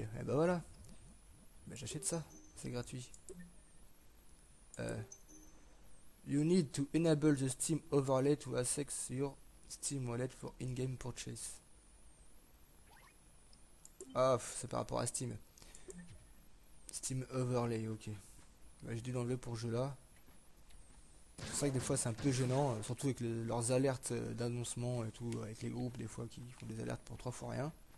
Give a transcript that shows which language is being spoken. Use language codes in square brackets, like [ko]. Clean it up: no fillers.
[fr] Et ben voilà, ben j'achète ça, c'est gratuit. [en] You need to enable the Steam overlay to access your Steam wallet for in-game purchase. [fr] Ah, c'est par rapport à Steam. Steam Overlay, ok. Bah, j'ai dû l'enlever pour ce jeu-là. C'est vrai que des fois c'est un peu gênant, surtout avec leurs alertes d'annoncement et tout, avec les groupes des fois qui font des alertes pour trois fois rien.